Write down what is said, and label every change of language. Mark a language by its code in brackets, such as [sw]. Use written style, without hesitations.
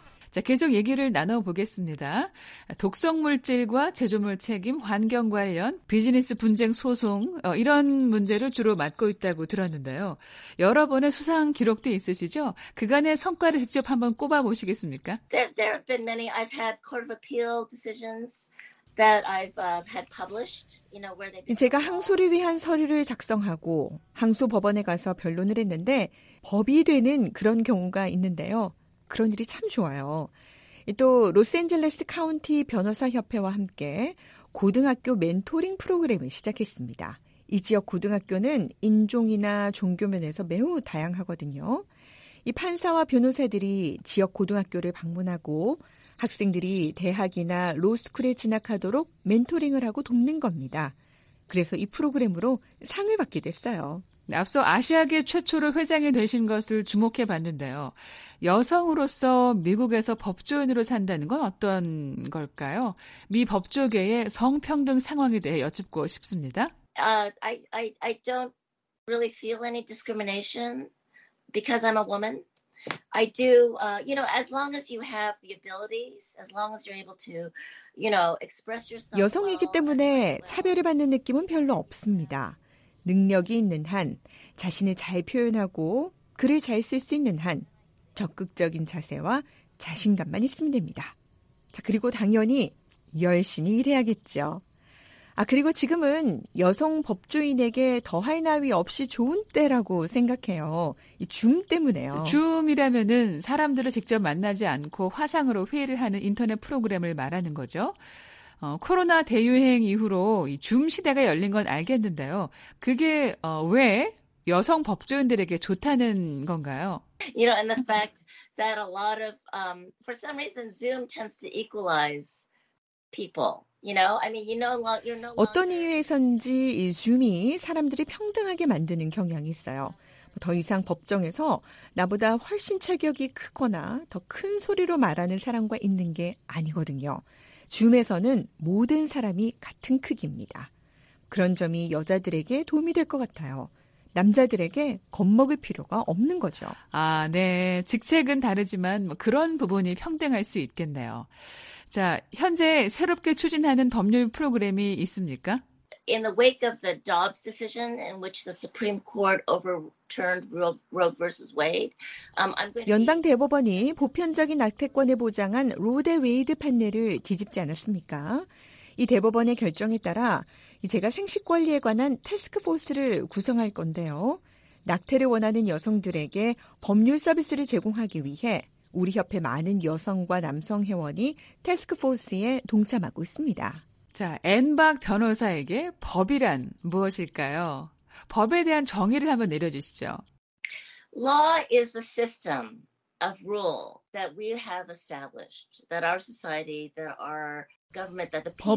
[ko] 자, 계속 얘기를 나눠보겠습니다. 독성물질과 제조물 책임, 환경 관련, 비즈니스 분쟁 소송 이런 문제를 주로 맡고 있다고 들었는데요. 여러 번의 수상 기록도 있으시죠? 그간의 성과를 직접 한번 꼽아보시겠습니까? [en] There have been many. I've had court of appeal decisions that I've had published. You know, where they've been... [ko] 제가 항소를 위한 서류를 작성하고 항소법원에 가서 변론을 했는데 법이 되는 그런 경우가 있는데요. 그런 일이 참 좋아요. 또 로스앤젤레스 카운티 변호사협회와 함께 고등학교 멘토링 프로그램을 시작했습니다. 이 지역 고등학교는 인종이나 종교 면에서 매우 다양하거든요. 이 판사와 변호사들이 지역 고등학교를 방문하고 학생들이 대학이나 로스쿨에 진학하도록 멘토링을 하고 돕는 겁니다. 그래서 이 프로그램으로 상을 받게 됐어요. 앞서 아시아계 최초로 회장이 되신 것을 주목해봤는데요. 여성으로서 미국에서 법조인으로 산다는 건 어떤 걸까요? 미 법조계의 성평등 상황에 대해 여쭙고 싶습니다. [en] I don't really feel any discrimination because I'm a woman. I do, you know, as long as you have the abilities, as long as you're able to, you know, express yourself. [ko] 여성이기 때문에 차별을 받는 느낌은 별로 없습니다. 능력이 있는 한, 자신을 잘 표현하고 글을 잘 쓸 수 있는 한, 적극적인 자세와 자신감만 있으면 됩니다. 자, 그리고 당연히 열심히 일해야겠죠. 아, 그리고 지금은 여성 법조인에게 더할 나위 없이 좋은 때라고 생각해요. 이 줌 때문에요. 줌이라면은 사람들을 직접 만나지 않고 화상으로 회의를 하는 인터넷 프로그램을 말하는 거죠. 코로나 대유행 이후로 이 줌 시대가 열린 건 알겠는데요. 그게 왜 여성 법조인들에게 좋다는 건가요? [en] You know, and the fact that a lot of for some reason Zoom tends to equalize people. You know, I mean, you know, you're no longer... [ko] 어떤 이유에선지 이 줌이 사람들이 평등하게 만드는 경향이 있어요. 더 이상 법정에서 나보다 훨씬 체격이 크거나 더 큰 소리로 말하는 사람과 있는 게 아니거든요. 줌에서는 모든 사람이 같은 크기입니다. 그런 점이 여자들에게 도움이 될 것 같아요. 남자들에게 겁먹을 필요가 없는 거죠. 아, 네. 직책은 다르지만 뭐 그런 부분이 평등할 수 있겠네요. 자, 현재 새롭게 추진하는 법률 프로그램이 있습니까? [en] In the wake of the Dobbs decision in which the Supreme Court overturned Roe versus Wade, I'm going to [ko] 연방 대법원이 보편적인 낙태권을 보장한 로 대 웨이드 판례를 뒤집지 않았습니까? 이 대법원의 결정에 따라 제가 생식 권리에 관한 태스크포스를 구성할 건데요. 낙태를 원하는 여성들에게 법률 서비스를 제공하기 위해 우리 협회 많은 여성과 남성 회원이 태스크포스에 동참하고 있습니다. 자, 앤박 변호사에게 법이란 무엇일까요? 법에 대한 정의를 한번 내려주시죠. [en] Law is the system of rule that we have established, that our society, that our government, that the people.